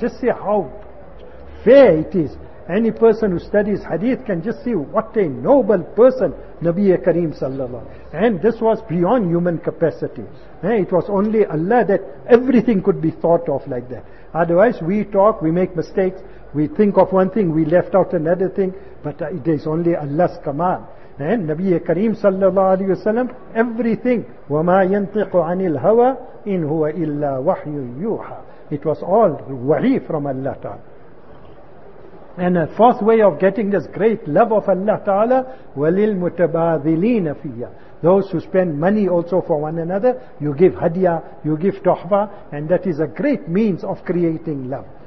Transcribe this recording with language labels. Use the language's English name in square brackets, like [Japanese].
[English] Just see how fair it is. Any person who studies hadith can just see what a noble person Nabi Kareem sallallahu alaihi wasallam. And this was beyond human capacity. It was only Allah that everything could be thought of like that. Otherwise we talk, we make mistakes, we think of one thing, we left out another thing, but it is only Allah's command. And Nabi Kareem sallallahu alaihi wasallam, everything, [Arabic] وَمَا يَنْطِقُ عَنِ الْهَوَى إِنْ هُوَ إِلَّا وَحْيُ يُوحَى. [English] It was all wahi from Allah Ta'ala. And a fourth way of getting this great love of Allah Ta'ala, [Arabic] walil mutabadhilina fiya. [English] Those who spend money also for one another, you give hadiah, you give tuhfa, and that is a great means of creating love.